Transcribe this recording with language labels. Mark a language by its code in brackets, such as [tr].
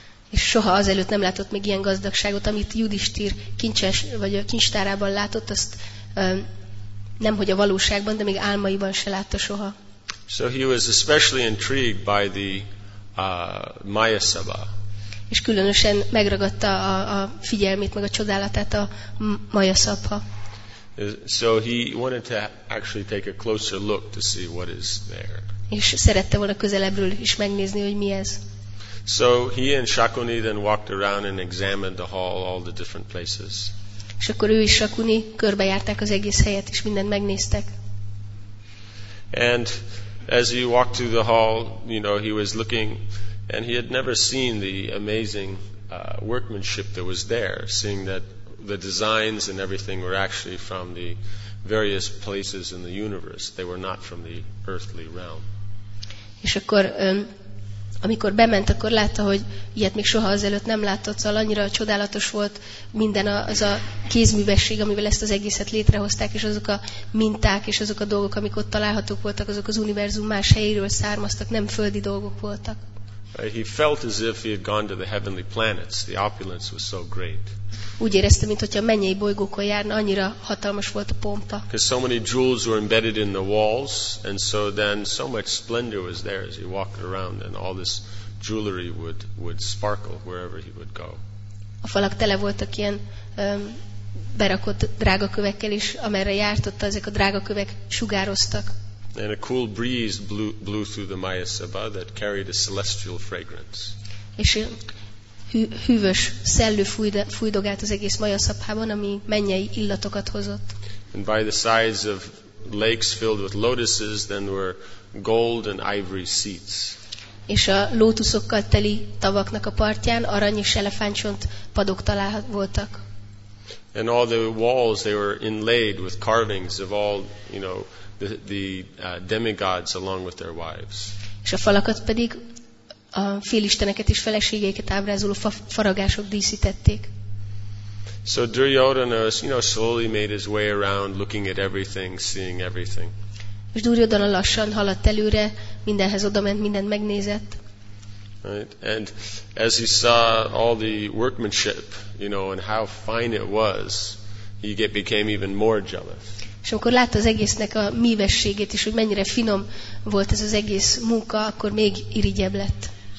[hu] És soha azelőtt nem látott még ilyen gazdagságot, amit Yudhisthira kincses vagy a kincstárában látott, azt nem hogy a valóságban, de még álmaiban se látta soha. [en] So he was especially intrigued by the Maya Sabha. [hu] És különösen megragadta a figyelmét, meg a csodálatát a Maya Sabha. [en] So he wanted to actually take a closer look to see what is there. [hu] És szerette volna közelebbről is megnézni, hogy mi ez. [en] So he and Shakuni then walked around and examined the hall, all the different places. [hu] És akkor ő és Shakuni körbejárták az egész helyet, és mindent megnéztek. [en] And as he walked through the hall, you know, he was looking, and he had never seen the amazing workmanship that was there, seeing that the designs and everything were actually from the various places in the universe. They were not from the earthly realm. [hu] És akkor amikor bement, akkor látta, hogy ilyet még soha azelőtt nem látott, szóval annyira csodálatos volt minden az a kézművesség, amivel ezt az egészet létrehozták, és azok a minták, és azok a dolgok, amik ott találhatók voltak, azok az univerzum más helyéről származtak, nem földi dolgok voltak. [en] He felt as if he had gone to the heavenly planets. The opulence was so great. [hu] Úgy érezte, mintha mennyei bolygókon járna, annyira hatalmas volt a pompa. [en] Because so many jewels were embedded in the walls, and so then so much splendor was there as he walked around, and all this jewelry would sparkle wherever he would go. [hu] A falak tele voltak ilyen berakott drágakövekkel is, amerre járt, ott ezek a drágakövek sugároztak. [en] And a cool breeze blew through the Maya Sabha that carried a celestial fragrance. [hu] És hűvös szellő fújdogált az egész Maya Sabhában, ami mennyei illatokat hozott. [en] And by the sides of lakes filled with lotuses, then were gold and ivory seats. [hu] És a lótuszokkal teli tavaknak a partján arany és elefántcsont padok találhatók voltak. [en] And all the walls, they were inlaid with carvings of all, you know, the demigods along with their wives. [hu] És a falakat pedig a félisteneket és feleségeiket ábrázoló faragások díszítették. [en] So Duryodhana, you know, slowly made his way around, looking at everything, seeing everything. [hu] És Duryodhana lassan haladt előre, mindenhez odament, mindent megnézett. [en] Right? And as he saw all the workmanship, you know, and how fine it was, he became even more jealous. [hu] És amikor látta az egésznek a művességét is, hogy mennyire finom volt ez az egész munka, akkor még irigyebb lett.